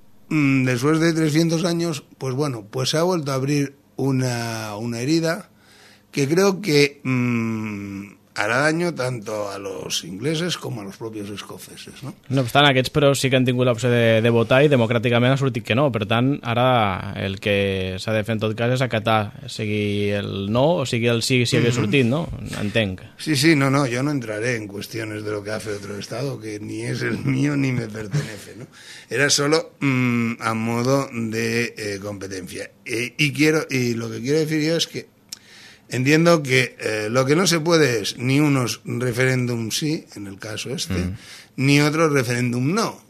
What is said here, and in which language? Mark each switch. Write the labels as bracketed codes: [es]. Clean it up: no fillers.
[es] después de 300 años, pues bueno, pues se ha vuelto a abrir una herida que creo que hará daño tanto a los ingleses como a los propios escoceses, ¿no? [ca] No obstant, aquests però sí que han tingut l'opció de votar i democràticament ha sortit que no. Per tant, ara el que s'ha de fer en tot cas és acatar, sigui el no o sigui el sí, si hagués sortit, no? Entenc. [es] Sí, sí, no, no, [ca] jo no entraré en qüestions de [es] lo que hace otro estado, que ni es el mío ni me pertenece, ¿no? Era solo a modo de competencia. Y lo que quiero decir yo es que entiendo que lo que no se puede es ni unos referéndum sí, en el caso este, ni otro referéndum no.